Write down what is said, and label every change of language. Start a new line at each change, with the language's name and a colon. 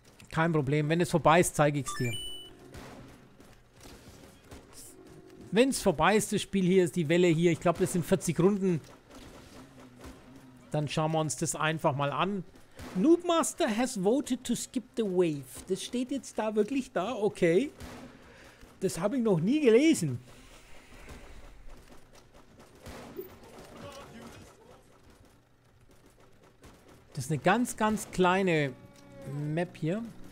German: Kein Problem. Wenn es vorbei ist, zeige ich es dir. Wenn es vorbei ist, das Spiel hier ist die Welle hier. Ich glaube, das sind 40 Runden. Dann schauen wir uns das einfach mal an.
English: Noobmaster has voted to skip the wave.
German: Das steht jetzt da wirklich da, okay. Das habe ich noch nie gelesen. Das ist eine ganz, ganz kleine Map hier.